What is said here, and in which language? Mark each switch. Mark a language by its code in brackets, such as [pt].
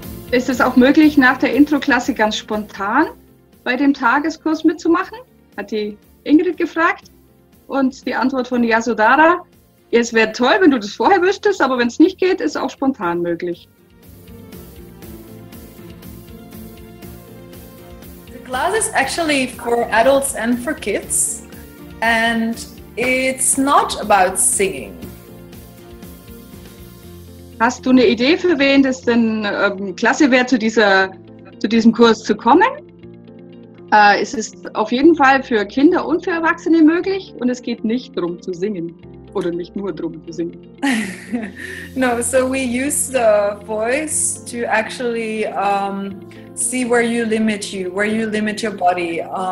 [de] Ist es auch möglich, nach der Intro-Klasse ganz spontan bei dem Tageskurs mitzumachen? Hat die Ingrid gefragt. Und die Antwort von Yasodhara, es wäre toll, wenn du das vorher wüsstest, aber wenn es nicht geht, ist auch spontan möglich. [en] The class is actually for adults and for kids. And it's not about singing. [de] Hast du eine Idee, für wen das denn klasse wäre, zu diesem Kurs zu kommen? Es ist auf jeden Fall für Kinder und für Erwachsene möglich und es geht nicht darum zu singen oder nicht nur darum zu singen. [en] No, so we use the voice to actually see where you limit your body.